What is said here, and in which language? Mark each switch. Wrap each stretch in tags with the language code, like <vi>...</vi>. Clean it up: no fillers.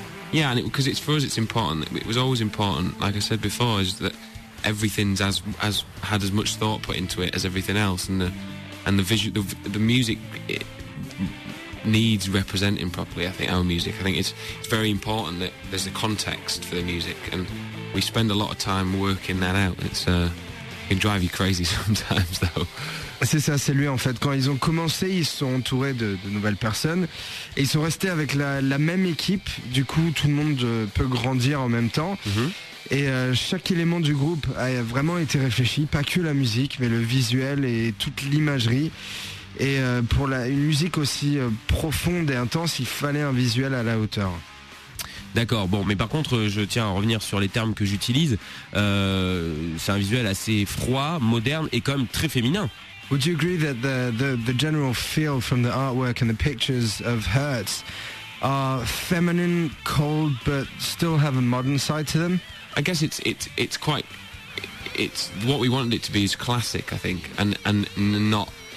<en>Because it's for us, it's important. It was always important, like I said before, is that everything's as had as much thought put into it as everything else, and the visual, the music. Needs representing properly, I think, our music. I think it's very important that there's a context for the music, and we spend a lot of time working that out. It can drive you crazy sometimes, though.</en> <fr>C'est ça, c'est lui en fait. Quand ils ont commencé, ils se sont entourés de nouvelles personnes et ils sont restés avec la même équipe. Du coup, tout le monde peut grandir en même temps. Et chaque élément du groupe a vraiment été réfléchi, pas que la musique, mais le visuel et toute l'imagerie. Et pour une musique aussi profonde et intense, il fallait un visuel à la hauteur. D'accord, bon, mais par contre, je tiens à revenir sur les termes que j'utilise. C'est un visuel assez froid, moderne et quand même très féminin.</fr> <en>Would you agree that the general feel from the artwork and the pictures of Hertz are feminine, cold, but still have a modern side to them? I guess it's quite... It's what we wanted it to be is classic, I think, and not...</en>